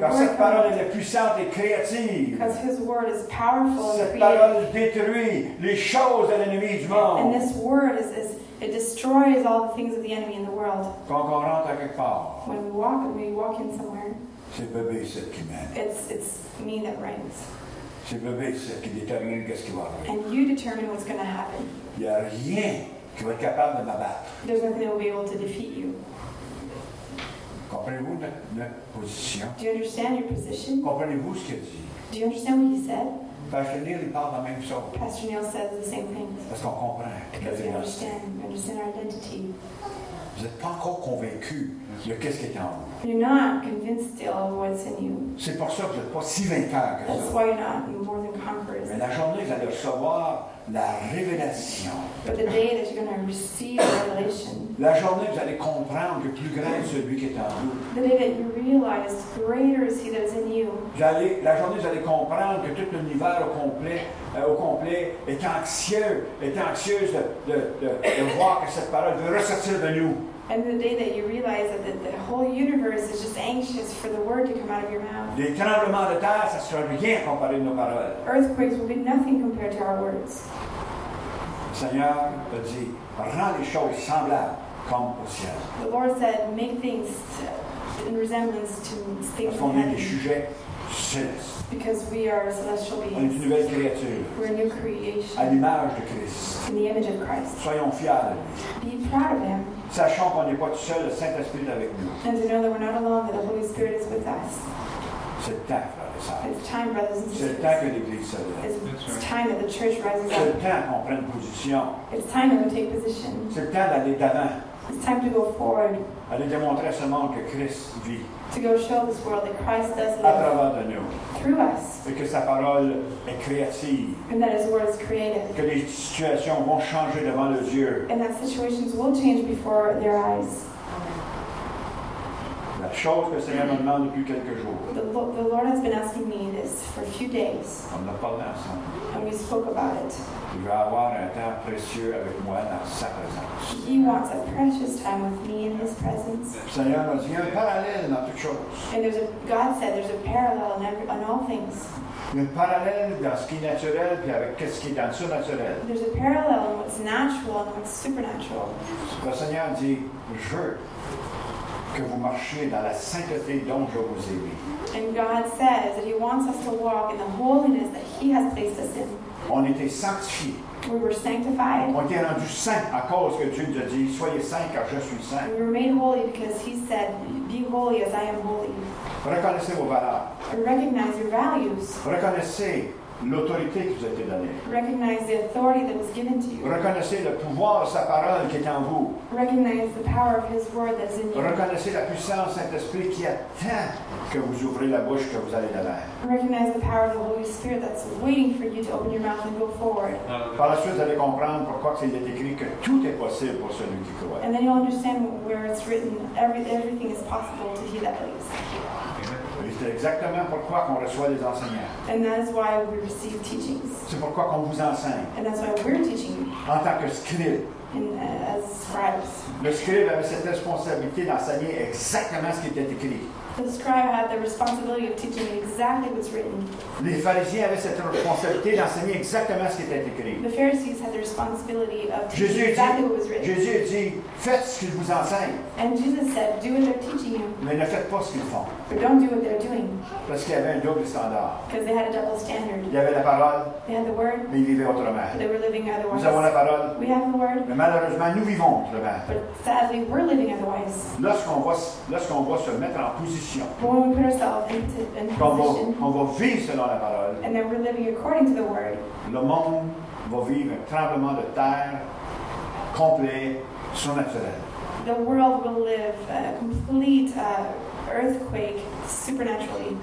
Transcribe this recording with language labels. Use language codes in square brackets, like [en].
[fr] Parce que cette parole est puissante et créative. [en] Because his word is powerful and creative. [fr] Cette parole détruit les choses de l'ennemi du monde. [en] And this word is it destroys all the things of the enemy in the world. [fr] Quand on rentre à quelque part. [en] When we walk in somewhere. [fr] C'est bébé cette qui mène. [en] It's me that reigns. [fr] C'est bébé qui détermine qu'est-ce qui va arriver. [en] And you determine what's going to happen. [fr] Il n'y a rien qui va être capable de m'abattre. [en] There's nothing that will be able to defeat you. [fr] Comprenez-vous notre position? [en] Do you understand your position? [fr] Comprenez-vous ce qu'il dit? [en] Do you understand what he said? [fr] Pastor Neil, il parle de la même chose. [en] Pastor Neil says the same thing. [fr] Parce qu'on comprend. [en] Because we understand our identity. [fr] Vous n'êtes pas encore convaincu de qu'est-ce qui est en vous. [en] You're not convinced still of what's in you. [fr] C'est pour ça que vous n'êtes pas si vainqueur que ça. [en] That's why you're not more than conquerors. [fr] Mais la journée, vous allez recevoir la révélation. [en] But the day that you're going to receive the revelation. [fr] La journée, vous allez comprendre que plus grand est celui qui est en vous. [en] The day that you realize greater is he that is in you. [fr] La journée, vous allez comprendre que tout l'univers au complet est anxieux de voir que cette parole veut ressortir de nous. [en] And the day that you realize that the whole universe is just anxious for the word to come out of your mouth. [fr] Les tremblements de terre, ça sera rien comparé à nos paroles. [en] Earthquakes will be nothing compared to our words. [fr] Le Seigneur a dit, rends les choses semblables comme au ciel. [en] The Lord said, make things in resemblance to things in heaven. [fr] Parce qu'on est des sujets célestes. [en] Because we are celestial beings. [fr] On est une nouvelle créature. [en] We're a new creation. [fr] À l'image de Christ. [en] In the image of Christ. [fr] Soyons fiers de [en] lui. Be proud of him. [fr] Sachant qu'on n'est pas tout seul, le Saint-Esprit est avec nous. [en] And to know that we're not alone, that the Holy Spirit is with us. [fr] C'est le temps, frères et sœurs. [en] It's time, brothers and sisters. [fr] C'est le temps que l'Église se lève. [en] It's time that the church rises up. [fr] C'est le temps qu'on prenne position. [en] It's time that we take position. [fr] C'est le temps d'aller d'avant. [en] It's time to go forward. [fr] Aller démontrer à ce monde que Christ vit. [en] To go show this world that Christ does live. [fr] À travers de nous. [en] through us. [fr] Et que sa parole est créative. [en] And that his word is creative. [fr] Que les situations vont changer devant nos yeux. [en] And that situations will change before their eyes. [fr] La chose que le Seigneur me demande depuis quelques jours. [en] The Lord has been asking me this for a few days. [fr] On a parlé ensemble. [en] And we spoke about it. [fr] Il va avoir un temps précieux avec moi dans sa présence. [en] He wants a precious time with me in his presence. [fr] Le Seigneur m'a dit, il y a un parallèle dans toutes choses. [en] And God said there's a parallel in all things. [fr] Il y a un parallèle dans ce qui est naturel puis avec ce qui est dans le surnaturel. [en] There's a parallel in what's natural and what's supernatural. [fr] Le Seigneur dit, je veux que vous marchiez dans la sainteté dont je vous ai mis. [en] And God says that he wants us to walk in the holiness that he has placed us in. [fr] On était sanctifiés. [en] We were sanctified. [fr] On était rendus saints à cause que Dieu nous a dit, soyez saints car je suis saint. [en] We were made holy because he said, be holy as I am holy. [fr] Reconnaissez vos valeurs. [en] Recognize your values. [fr] Reconnaissez l'autorité qui vous a été donnée. [en] Recognize the authority that was given to you. [fr] Reconnaissez le pouvoir de sa parole qui est en vous. [en] Recognize the power of his word that's in you. [fr] Reconnaissez la puissance du Saint-Esprit qui attend que vous ouvrez la bouche, que vous allez de l'air. [en] Recognize the power of the Holy Spirit that's waiting for you to open your mouth and go forward. [fr] Par la suite, vous allez comprendre pourquoi il est écrit que tout est possible pour celui qui croit. [en] And then you'll understand where it's written, everything is possible to he that believes. [fr] C'est exactement pourquoi qu'on reçoit des enseignants. [en] And that is why we receive teachings. [fr] C'est pourquoi qu'on vous enseigne. [en] And that's why we're teaching. [fr] En tant que scribe. [en] As scribes. [fr] Le scribe avait cette responsabilité d'enseigner exactement ce qui était écrit. [en] The scribe had the responsibility of teaching exactly what's written. [fr] Les pharisiens avaient cette responsabilité d'enseigner exactement ce qui était écrit. [en] The Pharisees had the responsibility of teaching exactly what was written. [fr] Jésus dit, faites ce qu'ils vous enseignent. [en] And Jesus said, do what they're teaching you. [fr] Mais ne faites pas ce qu'ils font. [en] But don't do what they're doing. [fr] Parce qu'il y avait un double standard. [en] Because they had a double standard. [fr] Il y avait la parole. [en] They had the word. [fr] Mais ils vivaient autrement. [en] They were living otherwise. [fr] Nous avons la parole. [en] We have the word. [fr] Mais malheureusement, nous vivons autrement. [en] But sadly, we're living otherwise. [fr] Lorsqu'on voit se mettre en position. [en] But when we put ourselves into position, [fr] on va vivre selon la parole, [en] and then we're living according to the word, [fr] le monde va vivre un tremblement de terre complet, surnaturel. [en] The world will live a complete earthquake supernaturally.